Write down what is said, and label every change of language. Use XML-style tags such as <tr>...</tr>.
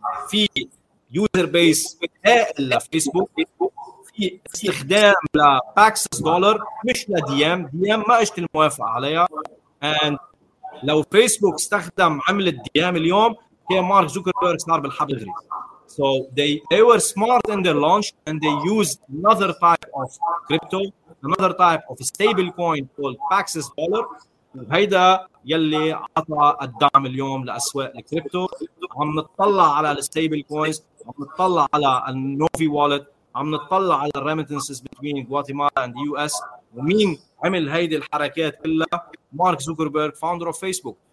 <ar>في user base هائل لفيسبوك. في استخدام لباكسس دولار مش لديام. ديام ما اجت الموافقة عليها. And لو فيسبوك استخدم عملة ديام اليوم كان مارك زوكربيرغ صار بالحبل غريب.</ar> <en>So they were smart in their launch, and they used another type of crypto, another type of stable coin called Paxos Dollar.</en> <ar>وهيدا يلي عطى الدعم اليوم لأسواق الكريبتو. عم نتطلع على الستيبل كوينز، عم نتطلع على النوفي والت، عم نتطلع على الريمتنسز بين غواتيمالا</ar> <en>And U S.</en> <ar>ومين عمل هيدي الحركات كلها؟ مارك زوكربيرغ،</ar> <en>founder of</en> <ar>فيسبوك.</ar>